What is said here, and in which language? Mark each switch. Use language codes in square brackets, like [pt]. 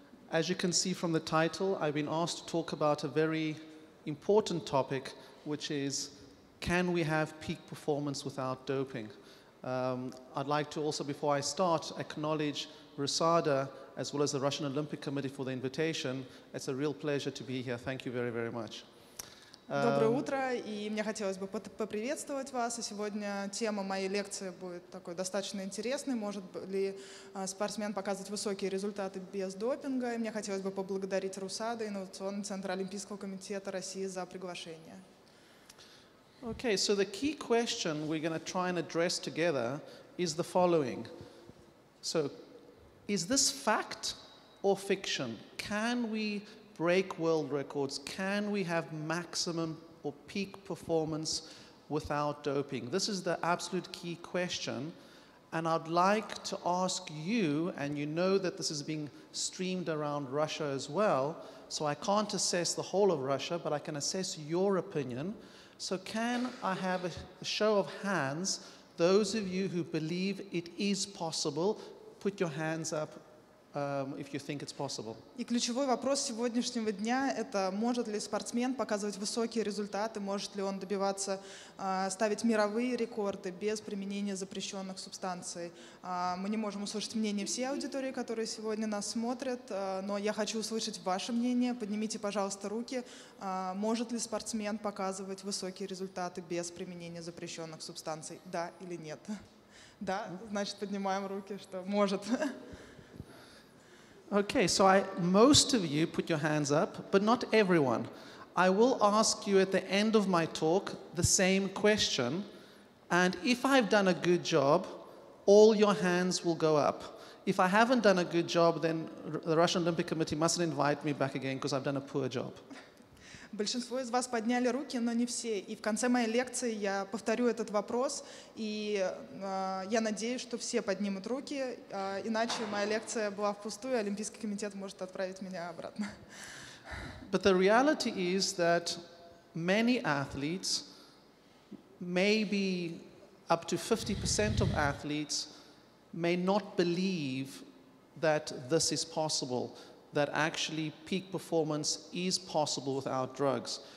[en] As you can see from the title, I've been asked to talk about a very important topic, which is, can we have peak performance without doping? I'd like to also, before I start, acknowledge RUSADA, as well as the Russian Olympic Committee for the invitation. It's a real pleasure to be here. Thank you very, very much. [ru] Доброе утро, и мне хотелось бы поприветствовать вас. И сегодня тема моей лекции будет такой достаточно интересной. Может ли спортсмен показывать высокие результаты без допинга? И мне хотелось бы поблагодарить РУСАДА, Инновационный центр Олимпийского комитета России за приглашение. [en] Okay, so the key question we're going to try and address together is the following. So, is this fact or fiction? Can we break world records? Can we have maximum or peak performance without doping? This is the absolute key question. And I'd like to ask you, and you know that this is being streamed around Russia as well, so I can't assess the whole of Russia, but I can assess your opinion. So can I have a show of hands, those of you who believe it is possible, put your hands up. If you think it's possible. [ru] И ключевой вопрос сегодняшнего дня – это может ли спортсмен показывать высокие результаты, может ли он добиваться, ставить мировые рекорды без применения запрещенных субстанций. Мы не можем услышать мнение всей аудитории, которые сегодня нас смотрят, но я хочу услышать ваше мнение. Поднимите, пожалуйста, руки. Может ли спортсмен показывать высокие результаты без применения запрещенных субстанций? Да или нет? Да, значит, поднимаем руки, что может. [en] Okay, so most of you put your hands up, but not everyone. I will ask you at the end of my talk the same question, and if I've done a good job, all your hands will go up. If I haven't done a good job, then the Russian Olympic Committee mustn't invite me back again because I've done a poor job. [ru] Большинство из вас подняли руки, но не все. И в конце моей лекции я повторю этот вопрос, и я надеюсь, что все поднимут руки, иначе моя лекция была впустую, и Олимпийский комитет может отправить меня обратно. [en] But the reality is that many athletes, maybe up to 50% of athletes, may not believe that this is possible. That actually peak performance is possible without drugs.